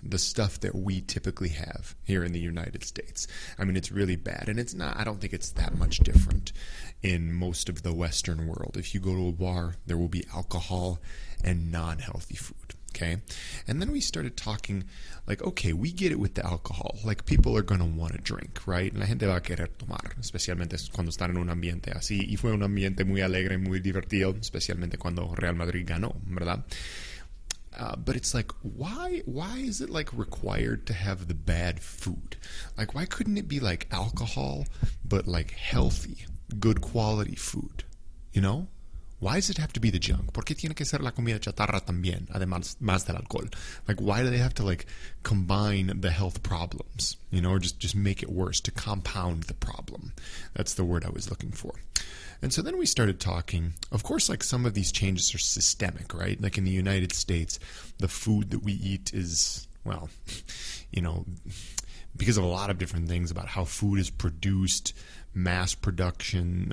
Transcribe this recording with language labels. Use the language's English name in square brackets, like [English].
[English] The stuff that we typically have here in the United States. I mean, it's really bad. And it's not, I don't think it's that much different in most of the Western world. If you go to a bar, there will be alcohol and non-healthy food. Okay. And then we started talking like, okay, we get it with the alcohol. Like, people are going to want to drink, right? [Spanish] La gente va a querer tomar, especialmente cuando están en un ambiente así. Y fue un ambiente muy alegre, muy divertido, especialmente cuando Real Madrid ganó, ¿verdad? [English] But it's like, why is it like required to have the bad food? Like, why couldn't it be like alcohol, but like healthy, good quality food, you know? Why does it have to be the junk? [Spanish] ¿Por qué tiene que ser la comida chatarra también, además más del alcohol? [English] Like, why do they have to, like, combine the health problems, you know, or just make it worse, to compound the problem? That's the word I was looking for. And so then we started talking. Of course, like, some of these changes are systemic, right? Like, in the United States, the food that we eat is, well, you know, because of a lot of different things about how food is produced, mass production.